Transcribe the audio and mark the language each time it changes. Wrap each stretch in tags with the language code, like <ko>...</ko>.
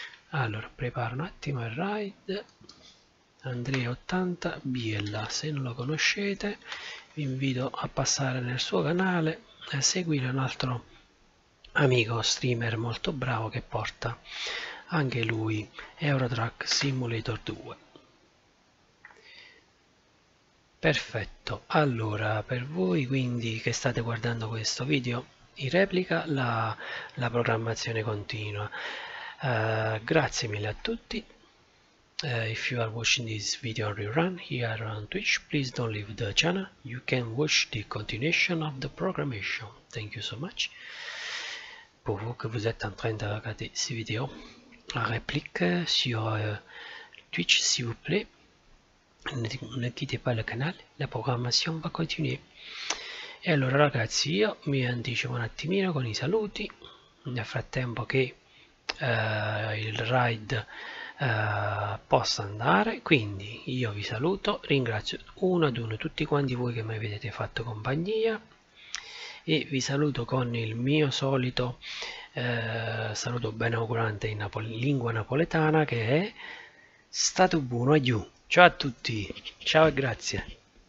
<it>Allora, preparo un attimo il ride. Andrea 80 Biella, se non lo conoscete, vi invito a passare nel suo canale e seguire un altro amico streamer molto bravo che porta anche lui Euro Truck Simulator 2. Perfetto, allora per voi quindi che state guardando questo video in replica, la programmazione continua. Grazie mille a tutti.</it> <en>If you are watching this video rerun here on Twitch, please don't leave the channel. You can watch the continuation of the programmation. Thank you so much.</en> <fr>Pour vous que vous êtes en train de regarder cette vidéo en réplique sur Twitch, s'il vous plaît. Ne quittez pas le canal,</fr> <it>la programmazione va continuare. E allora ragazzi, io mi anticipo un attimino con i saluti, nel frattempo che il ride possa andare. Quindi io vi saluto, ringrazio uno ad uno tutti quanti voi che mi avete fatto compagnia, e vi saluto con il mio solito saluto benaugurante in lingua napoletana, che è stato buono, adiù. Ciao a tutti, ciao e grazie.</it>